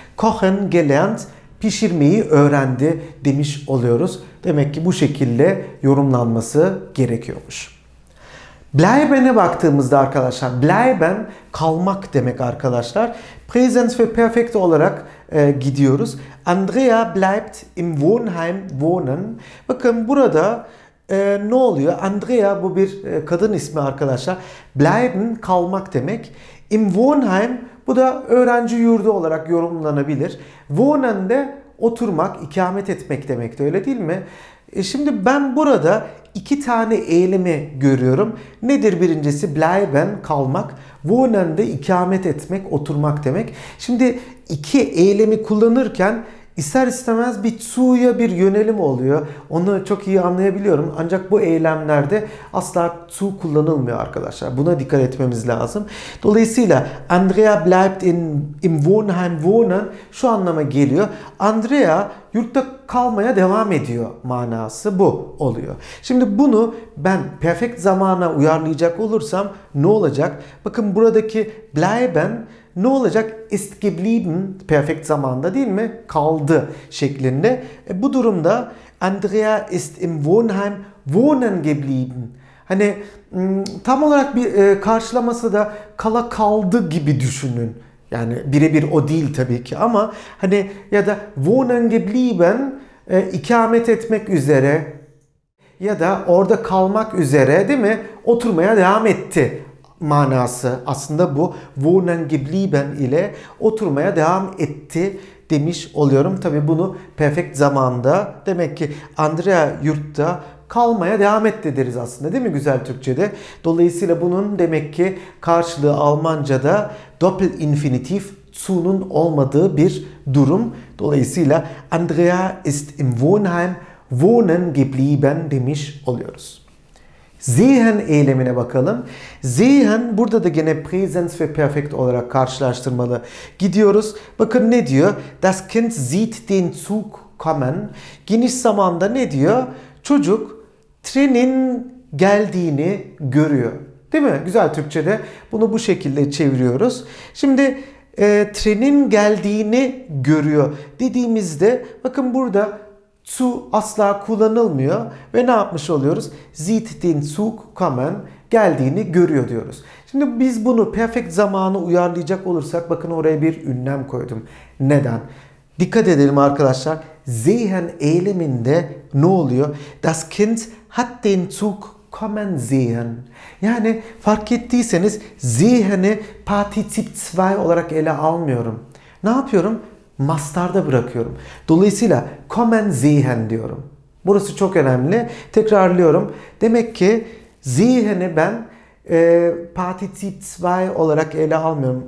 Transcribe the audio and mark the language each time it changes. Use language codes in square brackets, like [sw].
[de] Kochen gelernt, [tr] pişirmeyi öğrendi demiş oluyoruz. Demek ki bu şekilde yorumlanması gerekiyormuş. Bleiben'e baktığımızda arkadaşlar, bleiben kalmak demek arkadaşlar. Präsens ve perfekt olarak gidiyoruz. [de] Andrea bleibt im Wohnheim wohnen. [tr] Bakın burada ne oluyor? Andrea bu bir kadın ismi arkadaşlar. Bleiben kalmak demek. Im Wohnheim bu da öğrenci yurdu olarak yorumlanabilir. Wohnen de oturmak, ikamet etmek demek de, öyle değil mi? Şimdi ben burada iki tane eylemi görüyorum. Nedir birincisi? Bleiben kalmak. Wohnen de ikamet etmek, oturmak demek. Şimdi iki eylemi kullanırken ister istemez bir zu'ya bir yönelim oluyor. Onu çok iyi anlayabiliyorum. Ancak bu eylemlerde asla zu kullanılmıyor arkadaşlar. Buna dikkat etmemiz lazım. Dolayısıyla [de] Andrea bleibt im Wohnheim wohnen [tr] şu anlama geliyor. Andrea yurtta kalmaya devam ediyor manası bu oluyor. Şimdi bunu ben perfekt zamana uyarlayacak olursam ne olacak? Bakın buradaki bleiben ne olacak? [de] Ist geblieben, [tr] perfekt zamanda değil mi? Kaldı şeklinde. Bu durumda [de] Andrea ist im Wohnheim wohnen geblieben. [tr] Hani tam olarak bir karşılaması da kala kaldı gibi düşünün. Yani birebir o değil tabii ki ama hani ya da [de] wohnen geblieben [tr] ikamet etmek üzere ya da orada kalmak üzere değil mi? Oturmaya devam etti manası aslında bu. [de] Wohnen geblieben [tr] ile oturmaya devam etti demiş oluyorum. Tabii bunu perfekt zamanda demek ki Andrea yurtta kalmaya devam etti deriz aslında, değil mi güzel Türkçe'de? Dolayısıyla bunun demek ki karşılığı Almanca'da doppel infinitif zu'nun olmadığı bir durum. Dolayısıyla [de] Andrea ist im Wohnheim wohnen geblieben [tr] demiş oluyoruz. Sehen eylemine bakalım. Sehen burada da gene präsens ve perfekt olarak karşılaştırmalı gidiyoruz. Bakın ne diyor? [de] Das Kind sieht den Zug kommen. [tr] Geniş zamanda ne diyor? Çocuk trenin geldiğini görüyor. Değil mi? Güzel Türkçe'de bunu bu şekilde çeviriyoruz. Şimdi trenin geldiğini görüyor dediğimizde bakın burada zu asla kullanılmıyor ve ne yapmış oluyoruz? [de] Sieht den Zug kommen, [tr] geldiğini görüyor diyoruz. Şimdi biz bunu perfect zamanı uyarlayacak olursak bakın oraya bir ünlem koydum. Neden? Dikkat edelim arkadaşlar. Sehen eyleminde ne oluyor? [de] Das Kind hat den Zug kommen sehen. [tr] Yani fark ettiyseniz sehen'i partizip 2 olarak ele almıyorum. Ne yapıyorum? Mastarda bırakıyorum. Dolayısıyla [de] kommen sehen [tr] diyorum. Burası çok önemli. Tekrarlıyorum. Demek ki sehen'i ben partizip 2 olarak ele almıyorum.